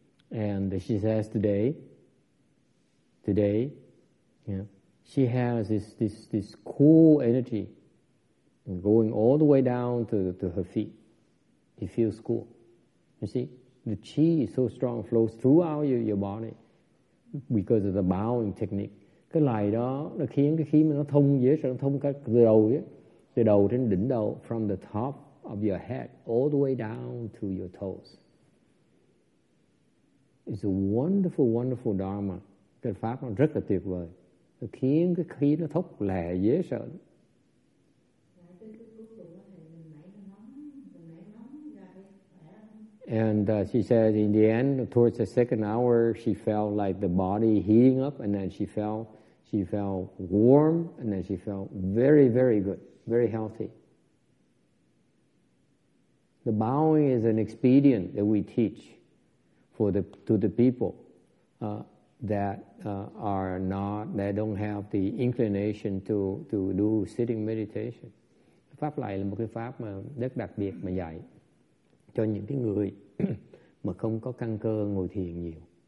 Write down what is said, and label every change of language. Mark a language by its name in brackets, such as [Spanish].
[English] And she says today, she has this cool energy going all the way down to her feet. It feels cool. You see, the chi is so strong, flows throughout your body because of the bowing technique. [Vietnamese] Cái lại đó, nó khiến cái khí mà nó thông dễ sợ, nó thông cái từ đầu trên đỉnh đầu, [English] from the top of your head all the way down to your toes. It's a wonderful, wonderful dharma. [Vietnamese] Cái pháp nó rất là tuyệt vời. Nó khiến cái khí nó thốc lẹ dễ sợ. [English] And she said in the end, towards the second hour, she felt like the body heating up, and then she felt warm, and then she felt very, very good, very healthy. The bowing is an expedient that we teach to the people that don't have the inclination to do sitting meditation. [Vietnamese] Pháp lại là một cái pháp mà rất đặc biệt mà dạy cho những cái người mà không có căn cơ ngồi thiền nhiều.